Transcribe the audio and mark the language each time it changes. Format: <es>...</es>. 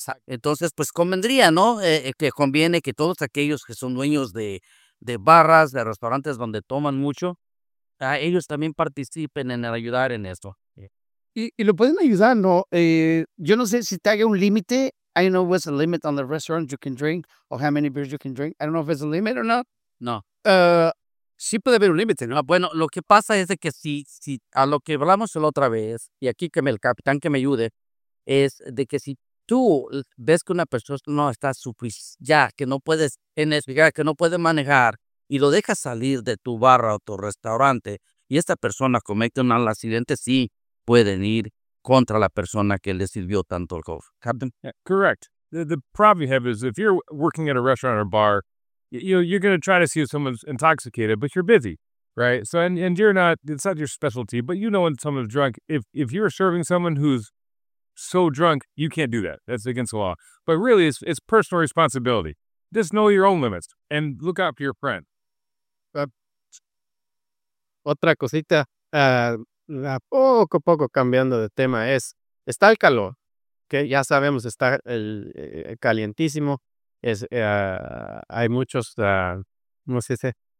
<es>Entonces, pues convendría, ¿no? Que conviene que todos aquellos que son dueños de barras, de restaurantes donde toman mucho, a ellos también participen en ayudar en esto. Y lo pueden ayudar, ¿no? Yo no sé si te haga un límite.</es> <en>I don't know what's the limit on the restaurant you can drink or how many beers you can drink. I don't know if it's a limit or not. No.</en> <es>Sí puede haber un límite, ¿no? Bueno, lo que pasa es de que si a lo que hablamos la otra vez, y aquí que el capitán que me ayude, es de que si tú ves que una persona no está que no puede manejar y lo dejas salir de tu barra o tu restaurante y esta persona comete un accidente, sí pueden ir contra la persona que le sirvió tanto el golf.</es> <en>Captain? Yeah, correct. The problem you have is if you're working at a restaurant or bar, you're going to try to see if someone's intoxicated, but you're busy, right? So, and you're not, it's not your specialty, but you know when someone's drunk. If you're serving someone who's so drunk, you can't do that. That's against the law. But really, it's personal responsibility. Just know your own limits and look out for your friend.</en> <es>Otra cosita. Poco cambiando de tema está el calor, que ya sabemos está el calientísimo, hay muchos, ¿cómo se dice?</es>